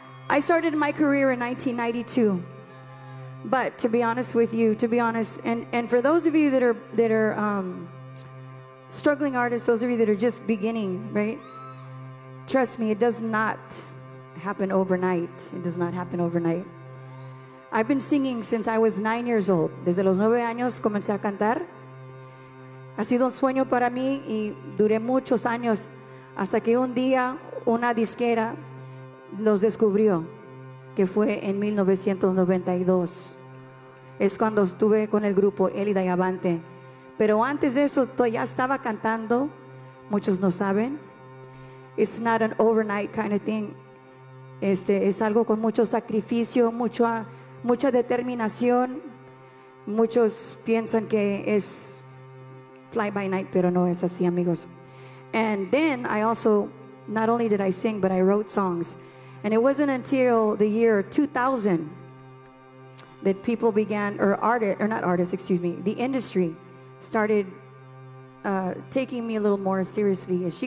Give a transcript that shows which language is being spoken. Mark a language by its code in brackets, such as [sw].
[en] I started my career in 1992. But to be honest with you, and for those of you that are struggling artists, those of you that are just beginning, right? Trust me, it does not happen overnight. It does not happen overnight. I've been singing since I was 9 years old. [es] Desde los 9 años comencé a cantar. Ha sido un sueño para mí y duré muchos años hasta que un día una disquera los descubrió, que fue en 1992. Es cuando estuve con el grupo Elida y Avante. Pero antes de eso ya estaba cantando, muchos no saben. [en] It's not an overnight kind of thing. [es] Es algo con mucho sacrificio, mucha determinación. Muchos piensan que es [en] fly by night, [es] pero no es así, amigos. [en] And then I also, not only did I sing, but I wrote songs. And it wasn't until the year 2000 that people began, the industry started taking me a little more seriously.